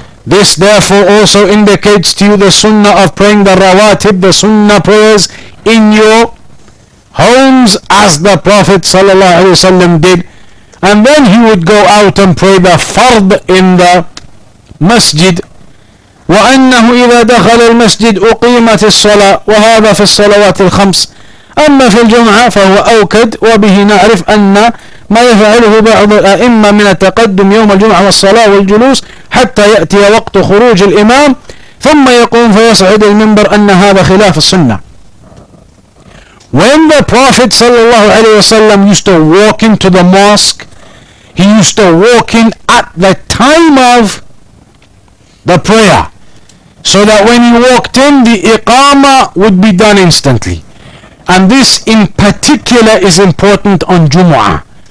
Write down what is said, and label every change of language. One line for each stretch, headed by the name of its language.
English: This therefore also indicates to you the sunnah of praying the rawatib, the sunnah prayers, in your homes, as the Prophet sallallahu alaihi wasallam did. And then he would go out and pray the fard in the masjid.
Arabic: وَأَنَّهُ إِذَا دَخَلَ الْمَسْجِدْ أُقِيمَتِ الصَّلَاةِ وَهَذَا فِي الصَّلَوَاتِ الْخَمْسِ أَمَّا فِي الْجُمْعَةِ فَهُوَ أَوْكَدْ وَبِهِ نَعْرِفْ أَنَّ ما يفعله بعض الأئمة من التقدم يوم الجمعة والصلاة والجلوس حتى يأتي وقت خروج الإمام ثم يقوم فيصعد المنبر أن هذا خلاف السنة.
English: When the Prophet
Arabic: صلى الله عليه وسلم
English: used to walk into the mosque, he used to walk in at the time of the prayer, so that when he walked in, the iqama would be done instantly. And this in particular is important on Jumu'ah.